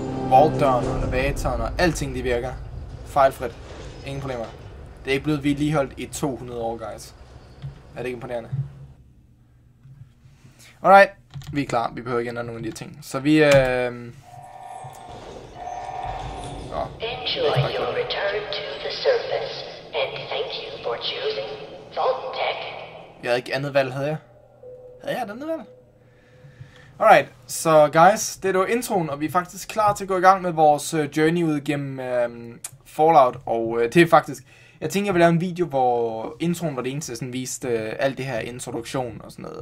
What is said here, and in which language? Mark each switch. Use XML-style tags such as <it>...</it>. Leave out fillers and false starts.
<da>Vaultdøren og elevatoren og alting, de virker. Fejlfrit. Ingen problemer. Det er ikke blevet vedligeholdt i 200 år, guys. Er det ikke imponerende? Alright. Vi er klar. Vi behøver ikke ændre nogle af de ting. Så vi</da> <en>Enjoy your return to the surface, and thank you for choosing Vault Tech.</en> <da>Jeg havde ikke andet valg, havde jeg? Havde jeg et andet valg? Alright, så guys, det er jo introen, og vi er faktisk klar til at gå i gang med vores journey ud gennem Fallout. Og det er faktisk, jeg tænkte, jeg ville lave en video, hvor introen var det eneste, sådan viste alt det her introduktion og sådan noget.</da>